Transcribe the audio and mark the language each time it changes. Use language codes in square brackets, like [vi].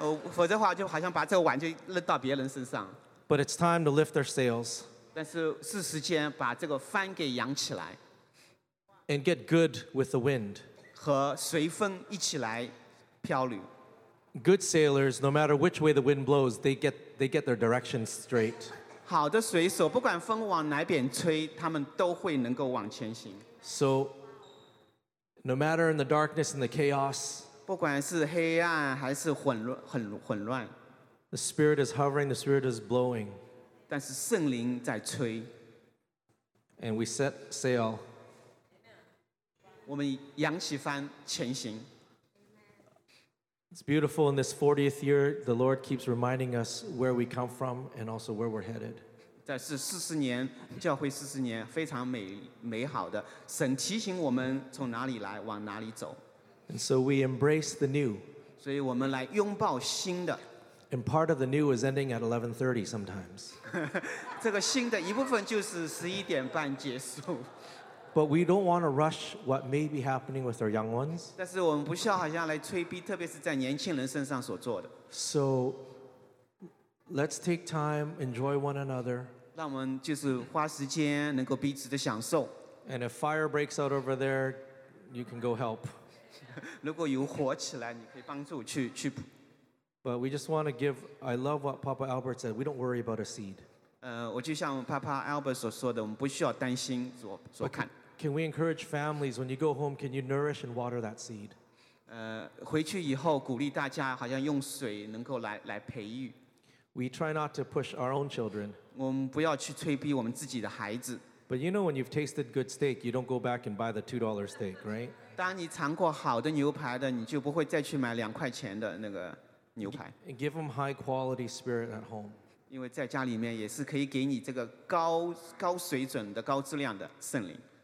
[zh] 否则的话，就好像把这个碗就扔到别人身上。 [en] But it's time to lift their sails. [zh] 但是是时间把这个帆给扬起来。 [en] And get good with the wind. [zh] 和随风一起来漂流。 [en] Good sailors, no matter which way the wind blows, they get their directions straight. [zh] 好的水手，不管风往哪边吹，他们都会能够往前行。 [en] So, no matter in the darkness and the chaos, [zh] 不管是黑暗还是混乱 [en] the spirit is hovering, the spirit is blowing. [zh] 但是圣灵在吹。 [en] And we set sail. [zh] 我们扬起帆前行。 [en] It's beautiful in this 40th year, the Lord keeps reminding us where we come from and also where we're headed. [zh] 在这40年，教会40年非常美好的，神提醒我们从哪里来，往哪里走。 [en] And so we embrace the new. [zh] 所以我们来拥抱新的。 [en] And part of the new is ending at 11:30 sometimes. [zh] 这个新的一部分就是11点半结束。 [en] But we don't want to rush what may be happening with our young ones. [zh] 但是我们不需要好像来催逼，特别是在年轻人身上所做的。 [en] So, let's take time, enjoy one another. [zh] 让我们就是花时间，能够彼此的享受。 [en] And if fire breaks out over there, you can go help. [zh] 如果有火起来，你可以帮助去。 [en] But we just want to give. I love what Papa Albert said. We don't worry about a seed. [zh] 我就像 Papa Albert 所说的，我们不需要担心所看。 [en] Can we encourage families when you go home? Can you nourish and water that seed? [zh] 回去以后鼓励大家，好像用水能够来培育。 [en] We try not to push our own children. [zh] 我们不要去催逼我们自己的孩子。 [en] But you know when you've tasted good steak, you don't go back and buy the $2 steak, right? [zh] 当你尝过好的牛排的，你就不会再去买两块钱的那个牛排。 [en] Give them high quality spirit at home. [zh] 因为在家里面也是可以给你这个高高水准的高质量的圣灵。